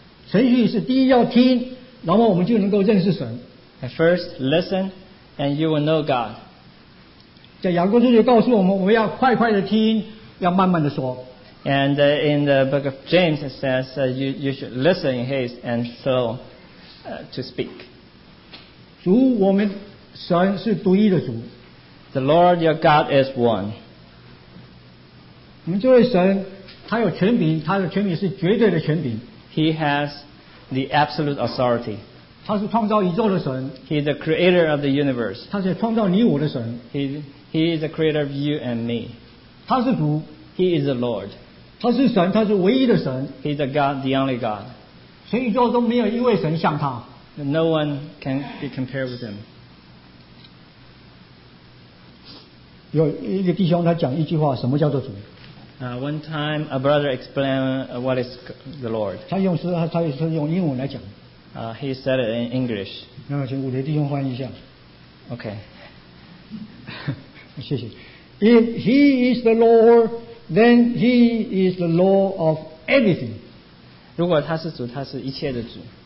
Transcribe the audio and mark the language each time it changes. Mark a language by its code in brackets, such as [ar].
[zh] 程序是第一要听，然后我们就能够认识神。 [en] At first, listen, and you will know God. [zh] 在雅各书就告诉我们，我们要快快的听，要慢慢的说。 [en] And in the book of James, it says you should listen in haste and slow to speak. [zh] 主，我们神是独一的主。 [en] The Lord your God is one. [zh] 我们这位神，他有权柄，他的权柄是绝对的权柄。 [en] He has the absolute authority. [zh] 他是创造宇宙的神。 [en] He is the creator of the universe. [zh] 他是创造你我的神。 [en] He is the creator of you and me. [zh] 他是主。 [en] He is the Lord. [zh] 他是神，他是唯一的神。 [en] He is the God, the only God. [zh] 全宇宙都没有一位神像他。 [en] No one can be compared with him. [zh] 有一个弟兄他讲一句话，什么叫做主？ [en] One time, a brother explained what is the Lord. [zh] 他也是用英文来讲。 [en] He said it in English. [zh] 那请五位弟兄翻译一下。 [en] Okay. [zh] 谢谢。 [en] If He is the Lord, then He is the Lord of everything. [zh] 如果他是主，他是一切的主。